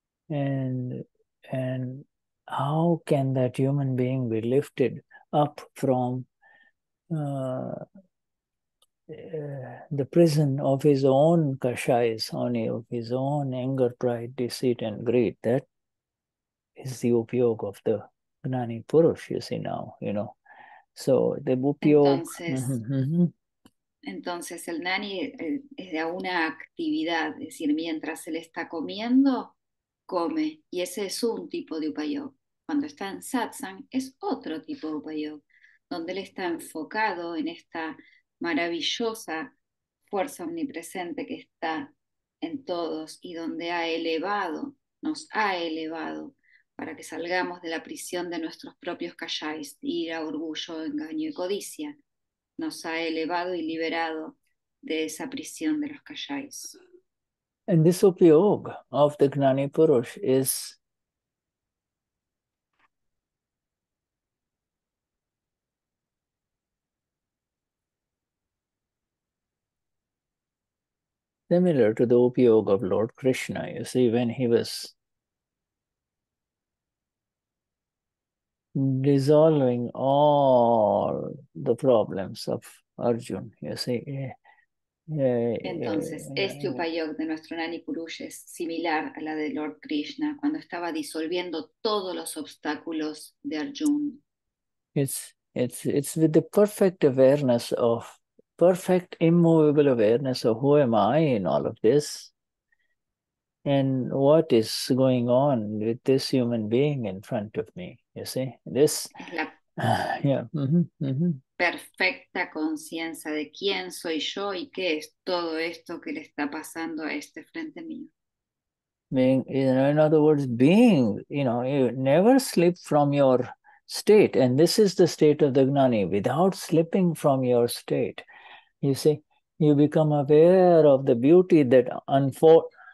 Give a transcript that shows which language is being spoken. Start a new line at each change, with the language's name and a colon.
English: And how can that human being be lifted up from the prison of his own kashayas, honey, of his own anger, pride, deceit, and greed? That is the upyog of the Gnani Purush, you see now, you know. So the upyog...
Spanish: Entonces el nani es de una actividad, es decir, mientras él está comiendo, come. Y ese es un tipo de upayog. Cuando está en satsang, es otro tipo de upayog, donde él está enfocado en esta maravillosa fuerza omnipresente que está en todos y donde ha elevado, nos ha elevado, para que salgamos de la prisión de nuestros propios kashais, ira, orgullo, engaño y codicia. Nos ha elevado y liberado de esa prisión de los kashais.
English: And this upyog of the Gnani Purush is similar to the upyog of Lord Krishna, you see, when he was dissolving all the problems of Arjun, you see.
Spanish: Entonces, este upayog de nuestro Nani Purush es similar a la de Lord Krishna cuando estaba disolviendo todos los obstáculos de Arjun.
English: It's with the perfect awareness of perfect immovable awareness of who am I in all of this and what is going on with this human being in front of me, you see, this
Spanish: perfecta conciencia de quién soy yo y qué es todo esto que le está pasando a este frente mío.
English: Being, in other words, being, you never slip from your state, and this is the state of the Gnani, without slipping from your state. You see, you become aware of the beauty that unfold.